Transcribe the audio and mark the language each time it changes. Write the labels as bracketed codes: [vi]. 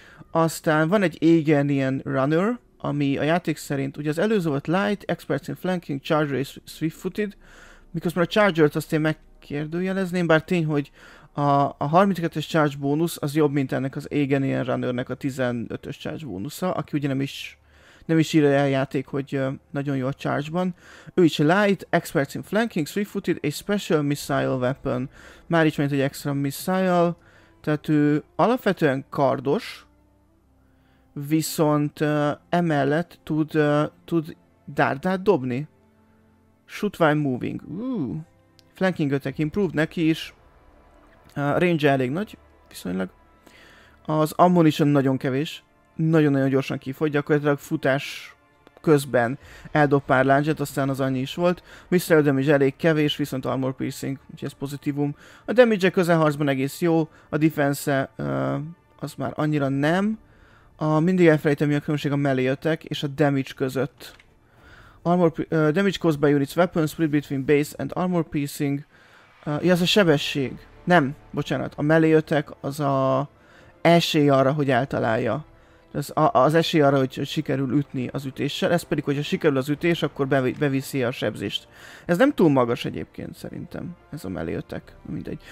[hu] Aztán van egy Aegean Runner, ami a játék szerint, ugye az előző volt light, [en] experts in flanking, charger is swift-footed. [hu] Miközben a charger-t azt én megkérdőjelezném, bár tény, hogy a 32-es charge bónusz az jobb, mint ennek az Aegean Runnernek a 15-ös charge bónusza, aki ugye nem is írja el játék, hogy nagyon jó a charge-ban. Ő is [en] light, experts in flanking, swift-footed, a special missile weapon. [hu] Már is ment egy extra missile. Tehát ő alapvetően kardos, viszont emellett tud dárdát dobni. [en] Shoot while moving. Flanking attack improved [hu] neki is. Range elég nagy, viszonylag. Az ammunition nagyon kevés. Nagyon-nagyon gyorsan kifogy, gyakorlatilag futás közben eldob pár láncset, aztán az annyi is volt. Missile damage elég kevés, viszont armor piercing, úgyhogy ez pozitívum. A damage-e közelharcban egész jó, a defense-e az már annyira nem. Mindig elfelejtem, mi a különbség a melee attack és a damage között. [en] Damage caused by units, weapons, split between base and armor piercing. [hu] Ez a sebesség. Nem, bocsánat, a melee attack az a esély arra, hogy eltalálja. Ez az esély arra, hogy sikerül ütni az ütéssel, ez pedig, hogyha sikerül az ütés, akkor beviszi a sebzést. Ez nem túl magas egyébként szerintem, ez a melléötek, mindegy.